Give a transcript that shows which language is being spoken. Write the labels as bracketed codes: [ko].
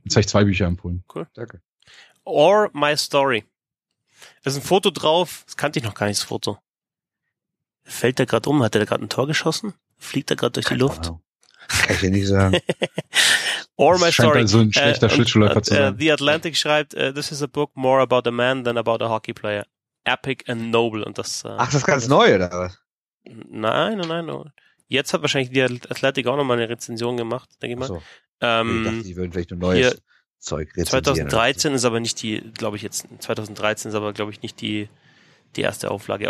[de] Jetzt habe ich zwei Bücher empfohlen. Cool. Danke. Or My Story. Da ist ein Foto drauf. Das kannte ich noch gar nicht, das Foto. Fällt der gerade um? Hat der gerade ein Tor geschossen? Fliegt er gerade durch die Luft? Ahnung. Kann ich dir nicht sagen. Or My Story. Also ein schlechter Schlittschuhläufer zu sein. [en] The Atlantic [de] schreibt, [en] this is a book more about a man than about a hockey player. Epic and noble. [de] Und das. Ach, das ist ganz neu, oder was? Nein. Jetzt hat wahrscheinlich The Atlantic auch nochmal eine Rezension gemacht, denke ich mal. Ach so. Ich dachte, die würden vielleicht ein neues Zeug rezensieren. 2013 ist aber nicht die, glaube ich jetzt, 2013 ist aber, glaube ich, nicht die erste Auflage.